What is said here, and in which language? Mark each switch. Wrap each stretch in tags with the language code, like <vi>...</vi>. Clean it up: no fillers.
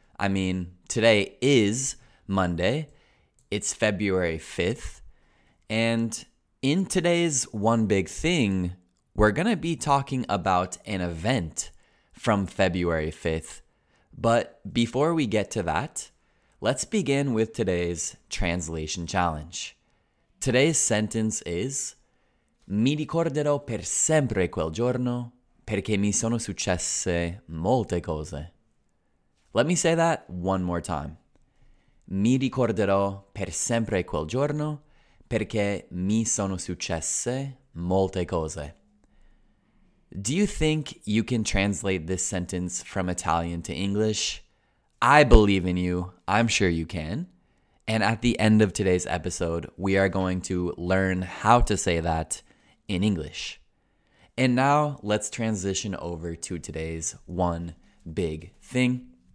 <en>I mean, today is Monday. It's February 5th. And in today's one big thing, we're going to be talking about an event from February 5th. But before we get to that, let's begin with today's translation challenge. Today's sentence is,</en> <it>mi ricorderò per sempre quel giorno perché mi sono successe molte cose.</it> <en>Let me say that one more time.</en> <it>Mi ricorderò per sempre quel giorno perché mi sono successe molte cose.</it> <en>Do you think you can translate this sentence from Italian to English? I believe in you. I'm sure you can. And at the end of today's episode, we are going to learn how to say that in English. And now let's transition over to today's one big thing.</en>